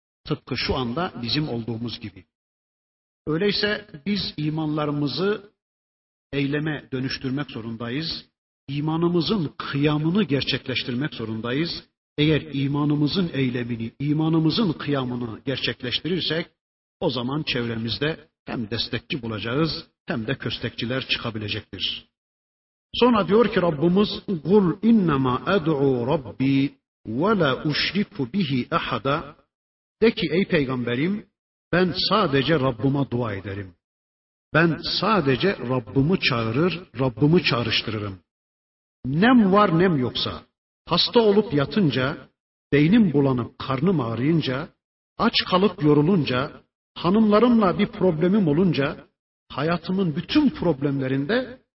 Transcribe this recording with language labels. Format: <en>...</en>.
<tr>Tıpkı şu anda bizim olduğumuz gibi. Öyleyse biz imanlarımızı eyleme dönüştürmek zorundayız. İmanımızın kıyamını gerçekleştirmek zorundayız. Eğer imanımızın eylemini, imanımızın kıyamını gerçekleştirirsek, o zaman çevremizde hem destekçi bulacağız hem de köstekçiler çıkabilecektir. Sonra diyor ki Rabbimiz,</tr> <ar>قُلْ اِنَّمَا اَدْعُوا رَبِّي وَلَا اُشْرِكُ بِهِ اَحَدًا.</ar> <tr>De ki ey peygamberim, ben sadece Rabbıma dua ederim. Ben sadece Rabbımı çağırır, Rabbımı çağrıştırırım. Nem var nem yoksa, hasta olup yatınca, beynim bulanıp karnım ağrıyınca, aç kalıp yorulunca, hanımlarımla bir problemim olunca, hayatımın bütün problemlerinde</tr>